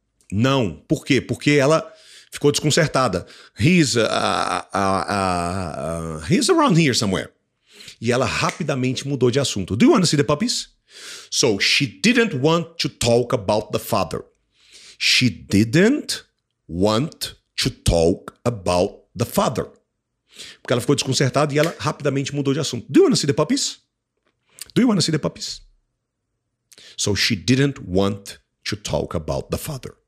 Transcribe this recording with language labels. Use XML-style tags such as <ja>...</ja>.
<pt>Não. Por quê? Porque ela ficou desconcertada.</pt> <en>He's around here somewhere.</en> <pt>E ela rapidamente mudou de assunto.</pt> <en>Do you want to see the puppies? So she didn't want to talk about the father. She didn't want to talk about the father.</en> <pt>Porque ela ficou desconcertada e ela rapidamente mudou de assunto.</pt> <en>Do you want to see the puppies? Do you want to see the puppies? So she didn't want to talk about the father.</en>